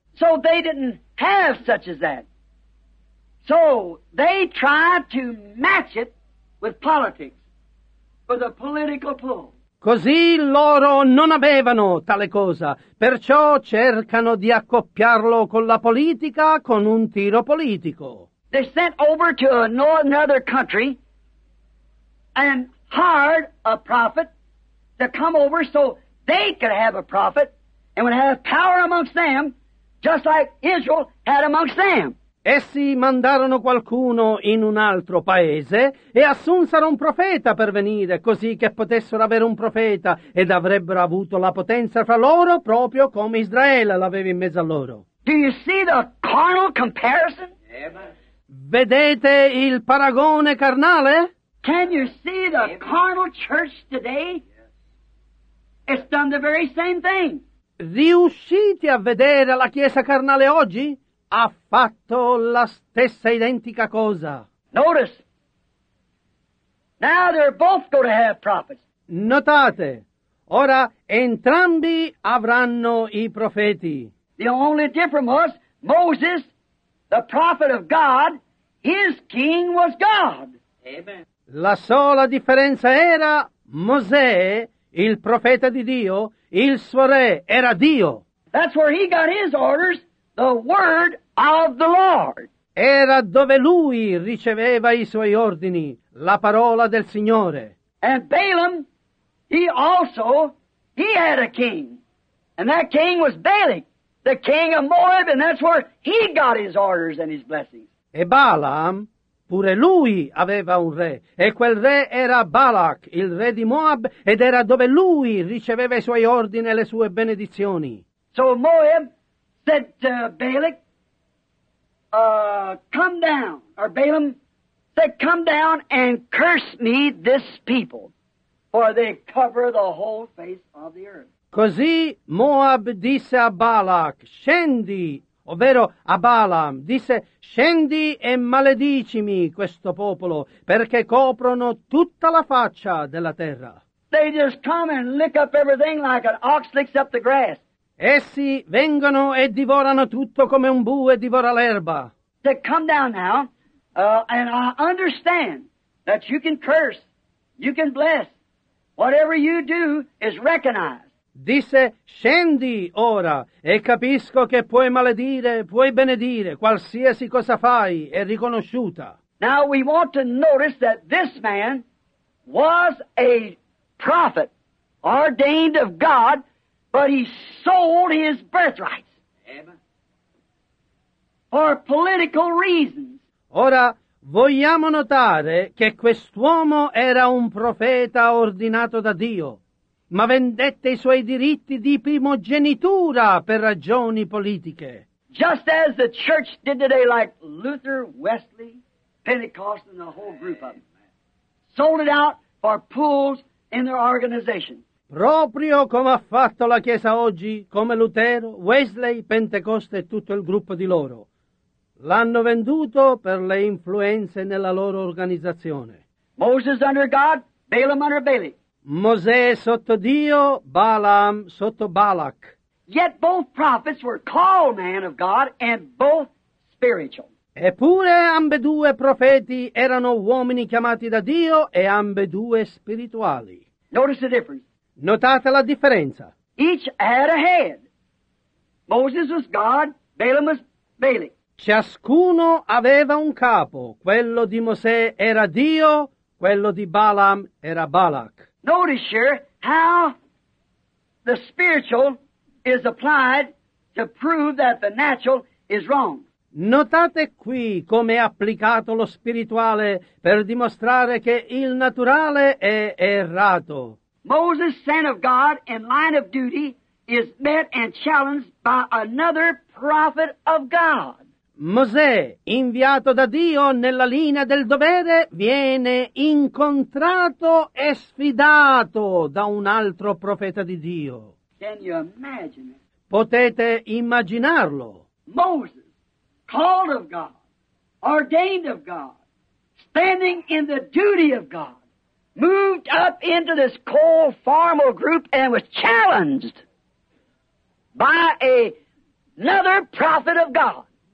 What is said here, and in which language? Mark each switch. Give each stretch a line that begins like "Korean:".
English: So they didn't have such as that. So they tried to match it with politics, with a political pull.
Italian: Così loro non avevano tale cosa, perciò cercano di accoppiarlo con la politica, con un tiro politico.
English: They sent over to another country and hired a prophet to come over so they could have a prophet and would have power amongst them, just like Israel had amongst them.
Italian: Essi mandarono qualcuno in un altro paese e assunsero un profeta per venire, così che potessero avere un profeta ed avrebbero avuto la potenza fra loro, proprio come Israele l'aveva in mezzo a loro.
English: Do you see the carnal comparison?
Italian: Vedete il paragone carnale?
English: Can you see the carnal church today? It's done the very same thing.
Italian: Riuscite a vedere la chiesa carnale oggi? Ha fatto la stessa identica cosa.
English: Notice. Now they're both going to have prophets.
Italian: Notate. Ora entrambi avranno i profeti.
English: The only difference was Moses, the prophet of God, his king was God. Amen.
Italian: La sola differenza era Mosè, il profeta di Dio, il suo re era Dio.
English: That's where he got his orders, the word of the Lord.
Italian: Era dove lui riceveva i suoi ordini, la parola del Signore.
English: And Balaam, he had a king. And that king was Balak, the king of Moab, and that's where he got his orders and his blessings.
Italian: E Balaam, pure lui aveva un re, e quel re era Balak, il re di Moab, ed era dove lui riceveva i suoi ordini e le sue benedizioni.
English: So Moab said to Balak, come down, or Balaam said, come down and curse me this people, for they cover the whole face of the earth.
Italian: Così Moab disse a Balak, scendi, ovvero a Balaam, disse, scendi e maledicimi questo popolo, perché coprono tutta la faccia della terra.
English: They just come and lick up everything like an ox licks up the grass.
Italian: Essi vengono e divorano tutto come un bue divora l'erba.
English: They come down now, and I understand that you can curse, you can bless. Whatever you do is recognized.
Italian: Disse, scendi ora, e capisco che puoi maledire, puoi benedire, qualsiasi cosa fai è riconosciuta.
English: Now we want to notice that this man was a prophet, ordained of God, but he sold his birthright. Amen. For political reasons.
Italian: Ora, vogliamo notare che quest'uomo era un profeta ordinato da Dio, ma vendette i suoi diritti di primogenitura per ragioni politiche.
English: Just as the church did today, like Luther, Wesley, Pentecost, and the whole group of them. Sold it out for pools in their organization.
Italian: Proprio come ha fatto la Chiesa oggi, come Lutero, Wesley, Pentecoste e tutto il gruppo di loro. L'hanno venduto per le influenze nella loro organizzazione.
English: Moses under God, Balaam under Balak.
Italian: Mosè sotto Dio, Balaam sotto Balak.
English: Yet both prophets were called man of God and both spiritual.
Italian: Eppure ambedue profeti erano uomini chiamati da Dio e ambedue spirituali.
English: Notice the difference.
Italian: Notate la differenza.
English: Each had a head. Moses was God, Balaam was Balak.
Italian: Ciascuno aveva un capo. Quello di Mosè era Dio, quello di Balaam era Balak.
English: Notice here how the spiritual is applied to prove that the natural is wrong.
Italian: Notate qui come è applicato lo spirituale per dimostrare che il naturale è errato.
English: Moses, son of God, in line of duty, is met and challenged by another prophet of God.
Italian: Mosè, inviato da Dio nella linea del dovere, viene incontrato e sfidato da un altro profeta di Dio.
English: Can you imagine it?
Italian: Potete immaginarlo.
English: Moses, called of God, ordained of God, standing in the duty of God, moved up into this coal farmer group and was challenged by another prophet of God.